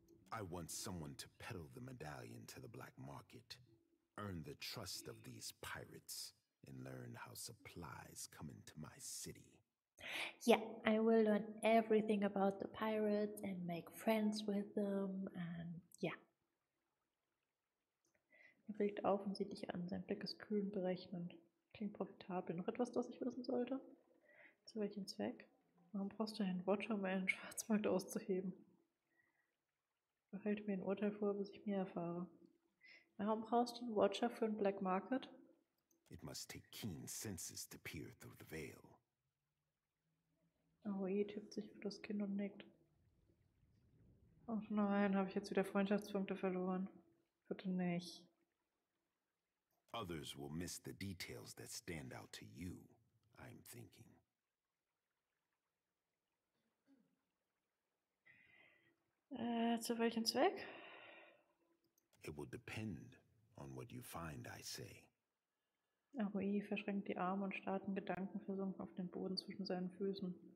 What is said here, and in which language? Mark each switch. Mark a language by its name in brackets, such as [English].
[English] I want someone to peddle the medallion to the black market, earn the trust of these pirates, and learn how supplies come into my city. Yeah, I will learn everything about the pirates and make friends with them, and yeah. [German] Er blickt offensichtlich an, sein Blick ist kühl und berechnend. Klingt profitabel. Noch etwas, das ich wissen sollte? Zu welchem Zweck? Warum brauchst du einen Watcher, um einen Schwarzmarkt auszuheben? Behalte mir ein Urteil vor, bis ich mehr erfahre. Warum brauchst du einen Watcher für einen Black Market? [English] It must take keen senses to peer through the veil. [German] Aoi tippt sich auf das Kinn und nickt. Ach nein, habe ich jetzt wieder Freundschaftspunkte verloren. Bitte nicht. [English] Others will miss the details that stand out to you, I'm thinking. [German] Zu welchem Zweck? [English] It will depend on what you find, I say. [German] Aoi verschränkt die Arme und starrt in Gedanken versunken auf den Boden zwischen seinen Füßen.